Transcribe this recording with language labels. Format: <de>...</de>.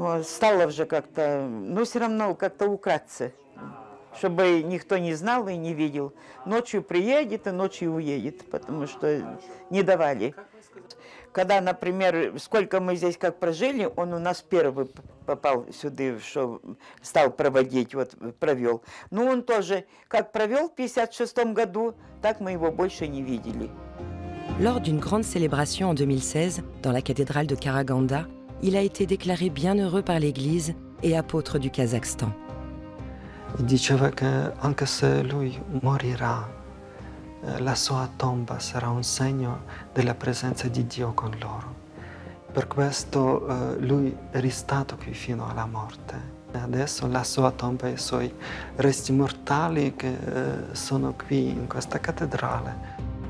<ru>Стало уже как-то, но все равно как-то украдце, чтобы никто не знал и не видел. Ночью приедет и ночью уедет, потому что не давали. когда, например, сколько мы здесь как прожили, он у нас первый попал сюда, что стал проводить, вот провел. Ну, он тоже как провел в 56-м году, так мы его больше не видели.</ru> <fr>Lors d'une grande célébration en 2016, dans la cathédrale de Karaganda, il a été déclaré bienheureux par l'Église et apôtre du Kazakhstan. Il disait que, même si lui mourra,</fr> <it>la sua tomba</it> <fr>sera</fr> <it>un segno della presenza di Dio con loro. Per questo lui è restato qui fino alla morte. Adesso la sua tomba e i suoi resti mortali che sono qui in questa cattedrale.</it>